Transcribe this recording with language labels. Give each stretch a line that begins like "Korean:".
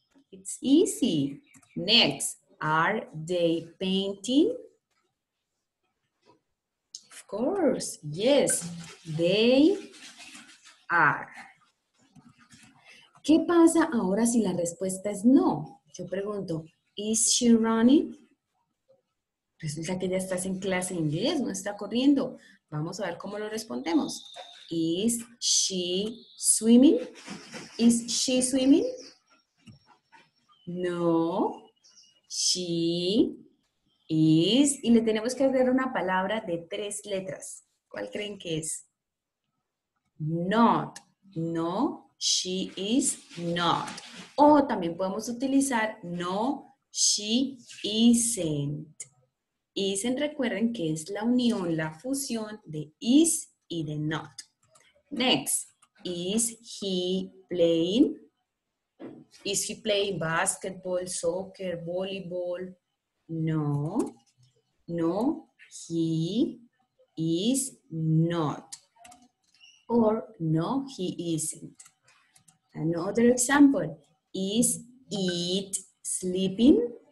English: It's easy. Next, are they painting? Of course, yes, they are.
Spanish: ¿Qué pasa ahora si la respuesta es no? Yo pregunto,
English: is she running?
Spanish: Resulta que ya estás en clase de inglés, no está corriendo. Vamos a ver cómo lo respondemos.
English: Is she swimming? Is she swimming? No, she is.
Spanish: Y le tenemos que agregar una palabra de tres letras. ¿Cuál creen que es? Not.
English: No, she is not.
Spanish: O también podemos utilizar no, she isn't. Isn't, recuerden que es la unión, la fusión de is y de not.
English: Next, is he playing? Is he playing basketball, soccer, volleyball? No, no, he is not. Or no, he isn't. Another example, is it sleeping?